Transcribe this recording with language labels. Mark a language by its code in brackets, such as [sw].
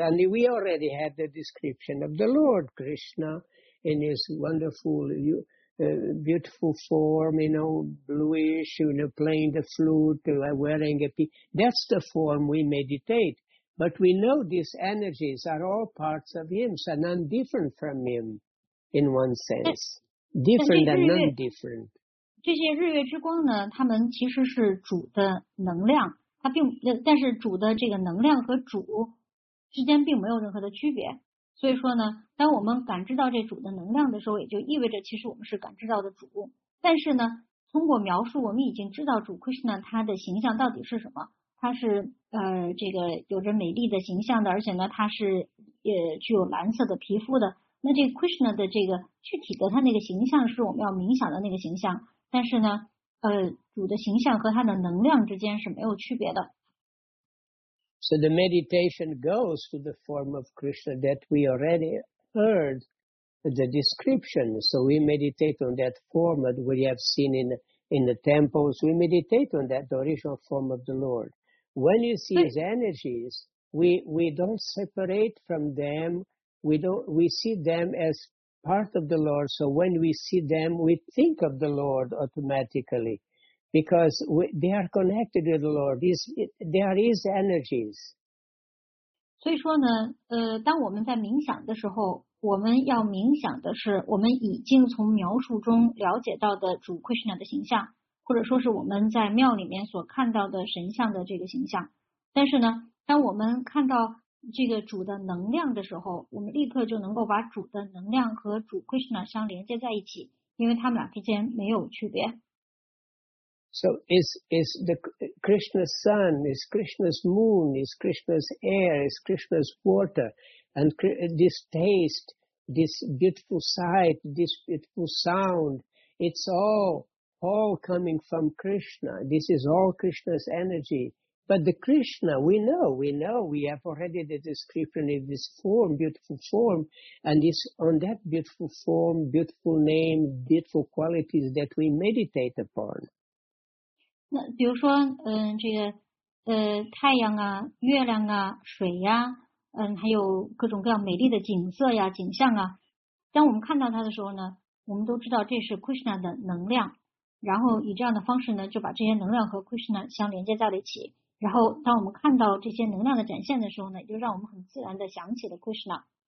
[en] And we already had the description of the Lord Krishna in his wonderful, beautiful form, you know, bluish, you know, playing the flute, wearing a piece. That's the form we meditate. But we know these energies are all parts of him, so none different from him in one sense. Different and non different. [zh] 这些日月之光呢，他们其实是主的能量，它并但是主的这个能量和主之间并没有任何的区别。所以说呢，当我们感知到这主的能量的时候，也就意味着其实我们是感知到的主。但是呢，通过描述，我们已经知道主 Krishna 他的形象到底是什么。他是这个有着美丽的形象的，而且呢，他是具有蓝色的皮肤的。那这个 Krishna 的这个具体的他那个形象是我们要冥想的那个形象。但是呢，主的形象和他的能量之间是没有区别的。 [en] So the meditation goes to the form of Krishna that we already heard the description. So we meditate on that form that we have seen in the temples. We meditate on that original form of the Lord. When you see his energies, we don't separate from them. We see them as. Part of the Lord, so when we see them, we think of the Lord automatically because they are connected with the Lord. They are His energies. [zh] 所以说呢，当我们在冥想的时候，我们要冥想的是我们已经从描述中了解到的主 Krishna 的形象，或者说是我们在庙里面所看到的神像的这个形象。但是呢，当我们看到这个主的能量的时候，我们立刻就能够把主的能量和主 Krishna 相连接在一起，因为他们俩之间没有区别。 [en] So is the Krishna's sun, is Krishna's moon, is Krishna's air, is Krishna's water, and this taste, this beautiful sight, this beautiful sound, it's all coming from Krishna. This is all Krishna's energy. But the Krishna, we know, we have already the description in this form, beautiful form, and it's on that beautiful form, beautiful name, beautiful qualities that we meditate upon. [zh] 那比如说，这个太阳啊，月亮啊，水呀、啊，还有各种各样美丽的景色呀景象啊，当我们看到它的时候呢，我们都知道这是 Krishna 的能量，然后以这样的方式呢就把这些能量和 Krishna 相连接在了一起，然后当我们看到这些能量的展现的时候呢，就让我们很自然的想起了 Krishna。